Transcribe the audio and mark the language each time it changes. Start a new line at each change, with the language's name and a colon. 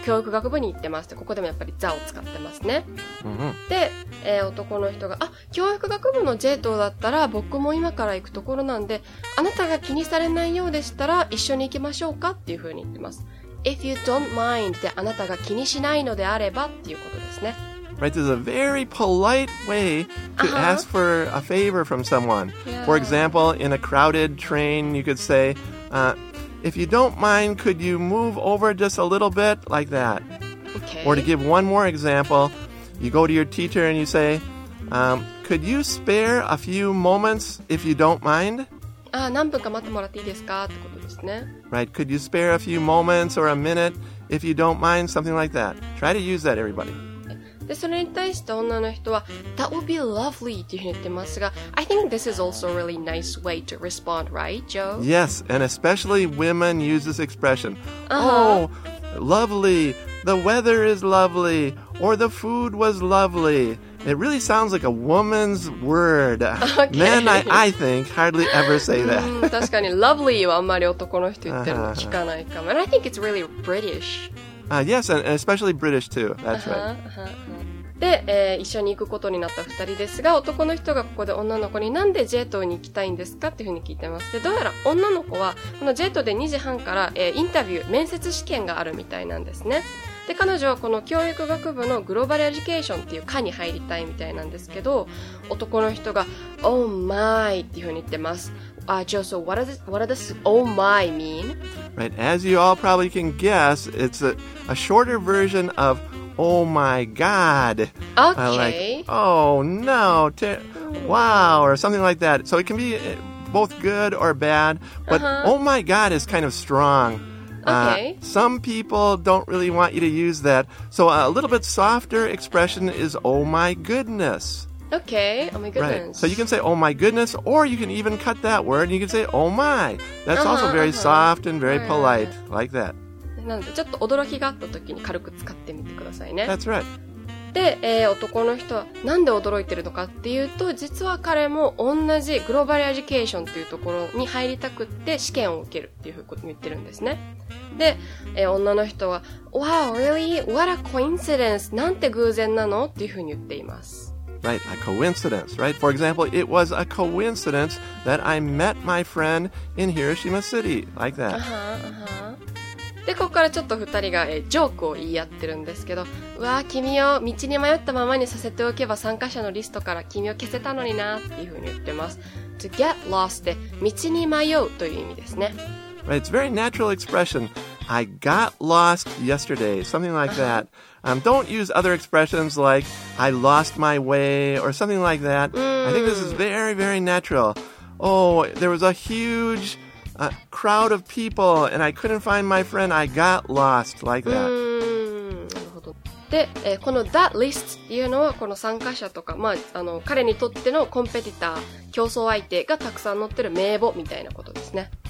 Japanese: 教育学部に行ってます。ここでもやっぱり the を使ってますね。 Mm-hmm. で、男の人が、あ、教育学部の J 等だったら僕も今から行くところなんで、あなたが気にされないようでしたら一緒に行きましょうかっていう風に言ってます。 If you don't mind ってあなたが気にしないのであればっていうことですね。
English: Right, this is a very polite way to、uh-huh. ask for a favor from someone.、 Yeah. For example, in a crowded train, you could say,、if you don't mind, could you move over just a little bit like that? Okay. Or to give one more example, you go to your teacher and you say,、could you spare a few moments if you don't mind?
Japanese: 何分か待ってもらっていいですかってことですね。
English: Right, could you spare a few moments or a minute if you don't mind? Something like that. Try to use that, everybody. でそれに対して女の人は That would be lovely っていうふうに言ってますが I think this is also a really nice way to respond, right, Joe? Yes, and especially women use this expression、 uh-huh. Oh, lovely, the weather is lovely, or the food was lovely It really sounds like a woman's word、 okay. Men, I think, hardly ever say that
Japanese: 確かに lovely はあんまり男の人言ってるの聞かないかも、uh-huh. And I think it's really British、
English: yes, and especially British too, that's、 uh-huh. uh-huh.
Japanese: で、一緒に行くことになった二人ですが、男の人がここで女の子になんでジェットに行きたいんですかっていうふうに聞いてます。で、どうやら女の子は、このジェットで2時半から、インタビュー、面接試験があるみたいなんですね。で、彼女はこの教育学部のグローバルエデュケーションっていう科に入りたいみたいなんですけど、男の人が、 Oh my! っていうふうに言ってます。
English: Joe, so what does oh my mean? Right, as you all probably can guess, it's a shorter version ofOh my god. Okay. Like, oh no. Wow. Or something like that. So it can be both good or bad. But、 uh-huh. oh my god is kind of strong. Okay. Some people don't really want you to use that. So a little bit softer expression is oh my goodness. Okay. Oh my goodness. Right. So you can say oh my goodness or you can even cut that word and you can say oh my. That's uh-huh, also very uh-huh. soft and very polite. Uh-huh. Like that.
Japanese: なのでちょっと驚きがあった時に軽く使ってみてくださいね
English: That's right
Japanese: で、男の人はなんで驚いてるのかっていうと実は彼も同じグローバルエデュケーションっていうところに入りたくって試験を受けるっていうふうに言ってるんですねで、女の人は Wow, really?
English: What a coincidence!
Japanese: なんて偶然なのっていうふうに言っています
English: Right, a coincidence, right? For example, it was a coincidence that I met my friend in Hiroshima City, like that Uh-huh, uh-huh.
Japanese: で、ここからちょっと二人が、ジョークを言い合ってるんですけど、うわぁ、君を道に迷ったままにさせておけば参加者のリストから君を消せたのになっていうふうに言ってます。 To get lost で、道に迷うという意味ですね。
English: Right, it's a very natural expression. I got lost yesterday, something like that. Don't use other expressions like I lost my way or something like that. I think this is very, very natural. Oh, there was a hugeA crowd of people, and I couldn't find my friend. I got lost like that.
Japanese: なるほど。で、この that list っていうのはこの参加者とか、まあ、彼にとってのコンペティター、競争相手がたくさん載ってる名簿みたいなことですね。